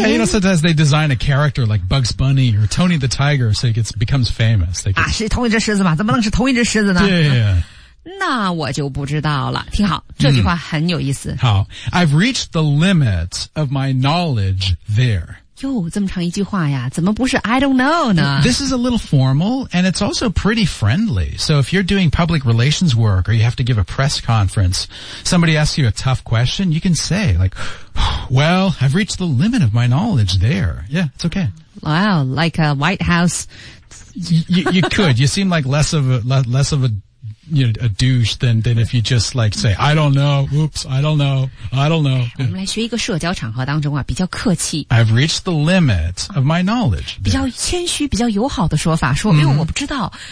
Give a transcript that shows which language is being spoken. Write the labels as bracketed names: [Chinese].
[English] Yeah, you know, sometimes they design a character like Bugs Bunny or Tony the Tiger so it becomes famous. [Chinese] 是同一只狮子吗? 怎么能是同一只狮子呢? 对呀。那我就不知道了。挺好，这句话很有意思。好, [English] I've reached the limit of my knowledge there. [Chinese] 哟,这么长一句话呀,怎么不是 [English] I don't know [Chinese] 呢? [English] This is a little formal, and it's also pretty friendly. So if you're doing public relations work, or you have to give a press conference, somebody asks you a tough question, you can say, like, well, I've reached the limit of my knowledge there. Yeah, it's okay. Wow, like a White House... you could. You seem like less of a... You know, a douche than if you just like say, I don't know, oops, I don't know. [Chinese] 我们来学一个社交场合当中啊, 比较客气。 [English] I've reached the limit of my knowledge. [Chinese] 比较谦虚, 比较友好的说法, 说, 没有,我不知道。